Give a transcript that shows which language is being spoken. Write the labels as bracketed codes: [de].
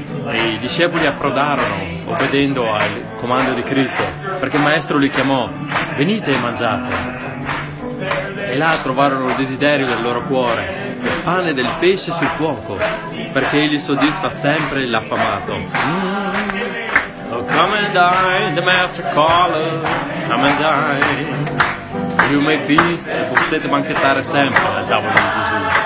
[it] E i discepoli approdarono, obbedendo al comando di Cristo, perché il maestro li chiamò, venite e mangiate. E là trovarono il desiderio del loro cuore. Il pane del pesce sul fuoco, perché egli soddisfa sempre l'affamato. [en] Oh, come and dine, the master caller, come and dine. You may feast, [it] e potete banchettare sempre al tavolo di Gesù.